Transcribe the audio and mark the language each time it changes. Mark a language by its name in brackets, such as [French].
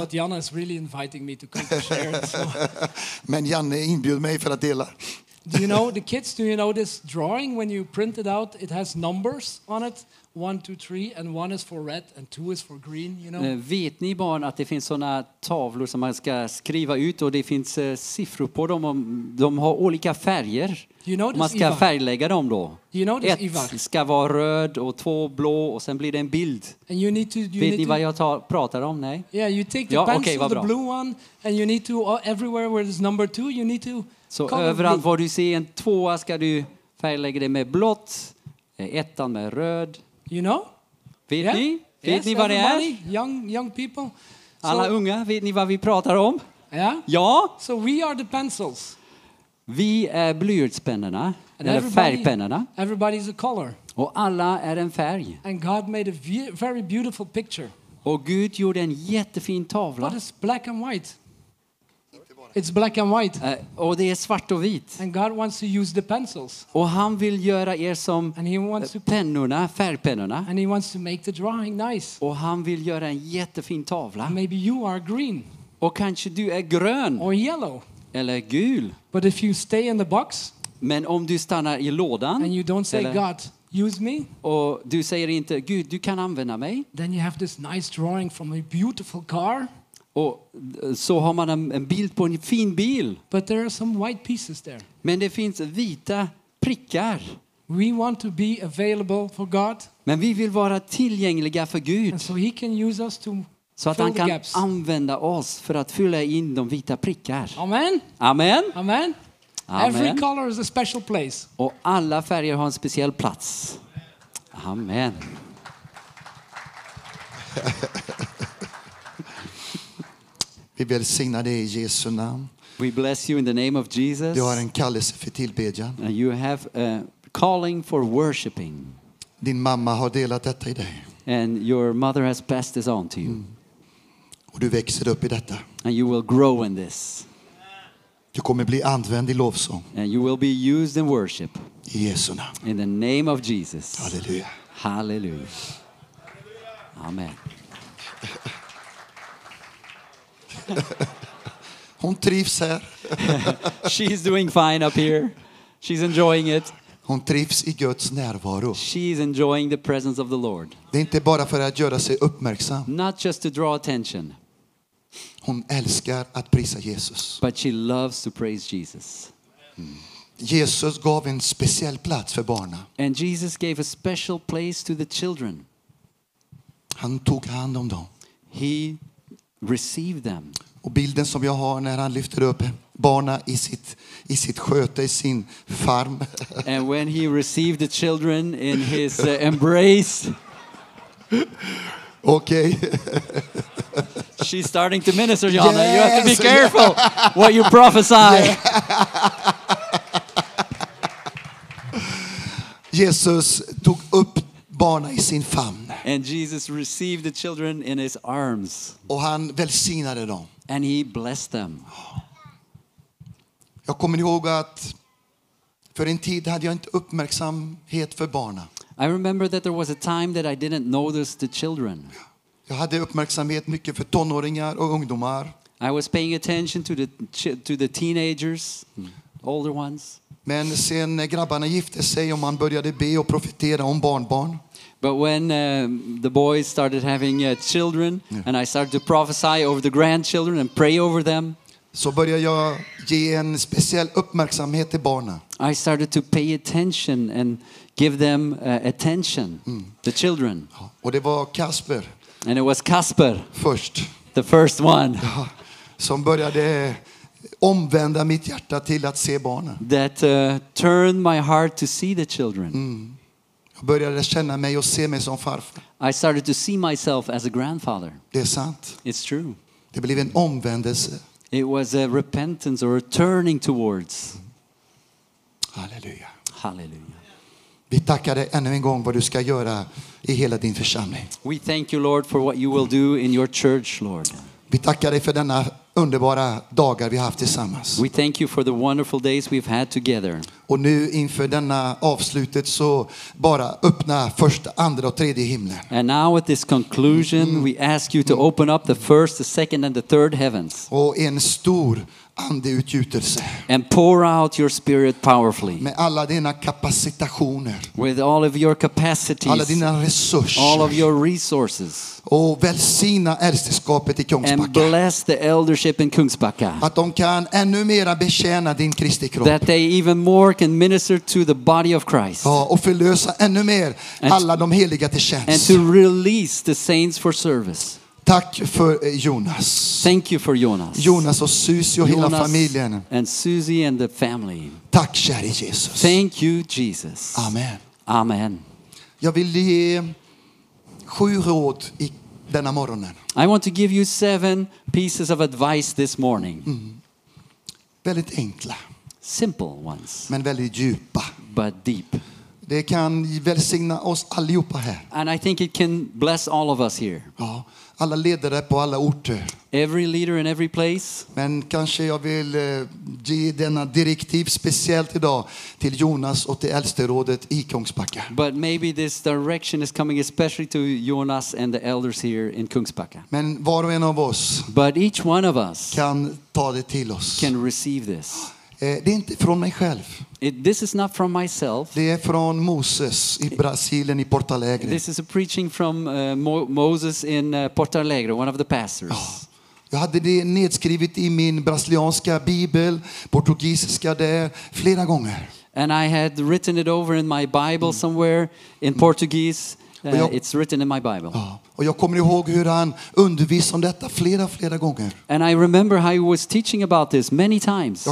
[English] But Janne is really inviting me to come to share. [Swedish] Men Janne inbjöd mig för att dela. [English] Do you know the kids, do you know this drawing when you print it out, it has numbers on it? 1 2 3 and 1 is for red and 2 is for green, you know. [Swedish] Vet ni barn att det finns såna tavlor som man ska skriva ut och det finns siffror på dem och de har olika färger. [English] You know this, [Swedish] man ska Eva? Färglägga dem då. [English] You know this, [Swedish] ett Eva? Ska vara röd och två blå och sen blir det en bild. [English] And you need to, you [Swedish] vet [English] need [Swedish] ni [English] to... [Swedish] vad jag pratar om? Nej. [English] Yeah, you take the, [Swedish] ja, [English] pencil, okay, the blue one and you need to everywhere where there's number 2 you need to. [Swedish] Så överallt var du ser en tvåa ska du färglägga det med blått, ettan med röd. [English] You know? [Swedish] Vet ni? [English] Yeah. [Swedish] Vet [English] yes, [Swedish] ni vad det är? [English] Young people. [Swedish] Alla [English] so, [Swedish] unga, vet ni vad vi pratar om? [English] Yeah. [Swedish] Ja. [English] So we are the pencils. [Swedish] Vi är blyertspennorna, eller färgpennorna. [English] Everybody is a color. [Swedish] Och alla är en färg. [English] And God made a very beautiful picture. [Swedish] Och Gud gjorde en jättefin tavla. [English] But it's black and white. It's black and white. [Swedish] Och det är svart och vit. [English] And God wants to use the pencils. [Swedish] Och han vill göra er som pennorna, färgpennorna. [English] And he wants to make the drawing nice. [Swedish] Och han vill göra en jättefin tavla. [English] And maybe you are green. [Swedish] Och kanske du är grön. [English] Or yellow. [Swedish] Eller gul. [English] But if you stay in the box. [Swedish] Men om du stannar i lådan. [English] And you don't say, God, use me. [Swedish] Och du säger inte, Gud, du kan använda mig. [English] Then you have this nice drawing from a beautiful car. [Swedish] Och så har man en bild på en fin bil. [English] But there are some white pieces there. [Swedish] Men det finns vita prickar. [English] We want to be available for God. [Swedish] Men vi vill vara tillgängliga för Gud. [English] And so he can use us to [Swedish] så att han kan använda oss för att fylla in de vita prickar. Amen. Amen. Amen. Amen. [English] Every color is a special place. [Swedish] Och alla färger har en speciell plats. Amen. Vi välsignar dig i Jesu namn. [English] We bless you in the name of Jesus. [Swedish] Du har en kallelse för tillbedjan. [English] And you have a calling for worshiping. [Swedish] Din mamma har delat detta i dig. [English] And your mother has passed this on to you. Mm. [Swedish] Och du växer upp i detta. [English] And you will grow in this. [Swedish] Du kommer bli använd i lovsång. [English] And you will be used in worship. [Swedish] I Jesu namn. [English] In the name of Jesus. Halleluja. Halleluja. Amen. [Swedish] Hon trivs här. [English] She's doing fine up here. She's enjoying it. [Swedish] Hon trivs i Guds närvaro. [English] She's enjoying the presence of the Lord. [Swedish] Det är inte bara för att göra sig uppmärksam. [English] Not just to draw attention. [Swedish] Hon älskar att prisa Jesus. [English] But she loves to praise Jesus. [Swedish] Jesus gav en speciell plats för barna. [English] And Jesus gave a special place to the children. [Swedish] Han tog hand om dem. [English] He receive them. [Swedish] Och bilden som jag har när han lyfter upp barna i sitt sköte, i sin farm. [English] And when he received the children in his embrace. Okay. She's starting to minister, Johanna. Yes. You have to be careful what you prophesy. Yeah. [Swedish] Jesus tog upp barna i sin famn. [English] And Jesus received the children in his arms. [Swedish] Och han välsignade dem. [English] And he blessed them. [Swedish] Jag kommer ihåg att för en tid hade jag inte uppmärksamhet för barna. [English] I remember that there was a time that I didn't notice the children. [Swedish] Jag hade uppmärksamhet mycket för tonåringar och ungdomar. [English] I was paying attention to the teenagers, older ones. [Swedish] Men sen när grabbarna gifte sig och man började be och profetera om barnbarn. [English] But when the boys started having children, yeah, and I started to prophesy over the grandchildren and pray over them, [Swedish] så började jag ge en speciell uppmärksamhet till barna. [English] I started to pay attention and give them attention, the children. [Swedish] Och det var Kasper. [English] And it was Kasper. [Swedish] Först. [English] The first one. [Swedish] Ja, som började omvända mitt hjärta till att se barnen. [English] That turned my heart to see the children. [Swedish] Jag började känna mig och se mig som farfar. [English] I started to see myself as a grandfather. [Swedish] Det är sant. [English] It's true. [Swedish] Det blev en omvändelse. [English] It was a repentance or a turning towards. Halleluja. Halleluja. [Swedish] Vi tackar dig ännu en gång vad du ska göra i hela din församling. [English] We thank you, Lord, for what you will do in your church, Lord. [Swedish] Vi tackar dig för denna underbara dagar vi har haft tillsammans. [English] We thank you for the wonderful days we've had together. [Swedish] Och nu inför denna avslutet så bara öppna första, andra och tredje himlen. [English] And now at this conclusion, we ask you to open up the first, the second and the third heavens. [Swedish] Och en stor andeutgjutelse. [English] And pour out your spirit powerfully. [Swedish] Med alla dina kapacitationer. [English] With all of your capacities. [Swedish] Alla dina resurser. [English] All of your resources. [Swedish] Och välsigna äldsteskapet i Kungsbacka. [English] And bless the eldership in Kungsbacka. [Swedish] Att de kan ännu mera betjäna din Kristi kropp. [English] That they even more can minister to the body of Christ. [Swedish] Ja, och förlösa ännu mer alla de heliga till tjänst. [English] And to release the saints for service. [Swedish] Tack för Jonas. [English] Thank you for Jonas. [Swedish] Jonas och Susie och hela familjen. [English] And Susie and the family. [Swedish] Tack käre Jesus. [English] Thank you Jesus. Amen. Amen. [Swedish] Jag vill ge 7 råd i denna morgonen. [English] I want to give you 7 pieces of advice this morning. [Swedish] Mm. Väldigt enkla. [English] Simple ones. [Swedish] Men väldigt djupa. [English] But deep. [Swedish] Det kan välsigna oss allihopa här. [English] And I think it can bless all of us here. [Swedish] Ja. Alla ledare på alla orter. [English] Every leader in every place. [Swedish] Men kanske jag vill ge denna direktiv speciellt idag till Jonas och till äldsterådet i Kungsbacka. [English] But maybe this direction is coming especially to Jonas and the elders here in Kungsbacka. [Swedish] Men var och en av oss. [English] But each one of us. [Swedish] Kan ta det till oss. [English] Can receive this. [Swedish] Det är inte från mig själv. [English] This is not from myself. [Swedish] Det är från Moses i Brasilien i Porto Alegre. [English] This is a preaching from Moses in Porto Alegre, one of the pastors. [Swedish] Ja, jag hade det nedskrivet i min brasilianska bibel, portugisiska där, flera gånger. [English] And I had written it over in my Bible somewhere in Portuguese. It's written in my Bible. [Swedish] Ja. Och jag kommer ihåg hur han undervisade om detta flera gånger. [English] And I remember how he was teaching about this many times.